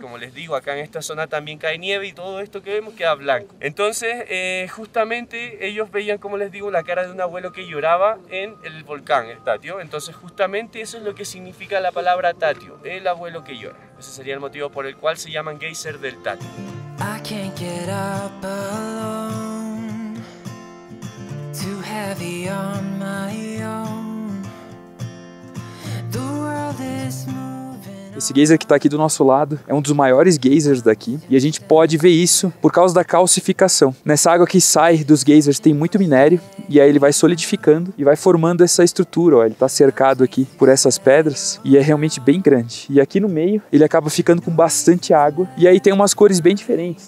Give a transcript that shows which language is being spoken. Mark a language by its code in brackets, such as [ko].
[es] Como les digo, acá en esta zona también cae nieve y todo esto que vemos queda blanco. Entonces, justamente ellos veían, como les digo, la cara de un abuelo que lloraba en el volcán, el Tatio. Entonces, justamente eso es lo que significa la palabra Tatio, el abuelo que llora. Ese sería el motivo por el cual se llaman geyser del Tatio. [en] I can't get up alone, too heavy on my own. The world is moving on. [pt] Esse geyser que tá aqui do nosso lado é um dos maiores geysers daqui. E a gente pode ver isso por causa da calcificação. Nessa água que sai dos geysers tem muito minério. E aí ele vai solidificando e vai formando essa estrutura. Ó. Ele tá cercado aqui por essas pedras e é realmente bem grande. E aqui no meio ele acaba ficando com bastante água. E aí tem umas cores bem diferentes.